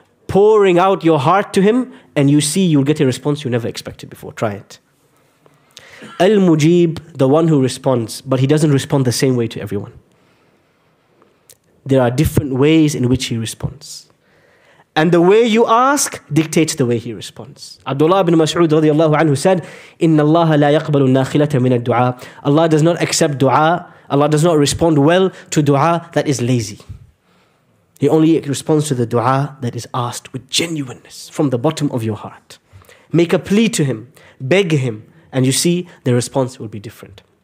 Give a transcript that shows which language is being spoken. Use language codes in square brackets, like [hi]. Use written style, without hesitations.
[en] Pouring out your heart to Him, and you see you'll get a response you never expected before. Try it. Al-Mujib, the one who responds, but he doesn't respond the same way to everyone. There are different ways in which he responds. And the way you ask dictates the way he responds. Abdullah ibn Mas'ud radiallahu anhu said, [ar] إِنَّ اللَّهَ لَا يَقْبَلُ النَّاخِلَةَ مِنَ الدُّعَى. [en] Allah does not accept dua. Allah does not respond well to dua that is lazy. He only responds to the dua that is asked with genuineness from the bottom of your heart. Make a plea to Him, beg Him, and you see the response will be different.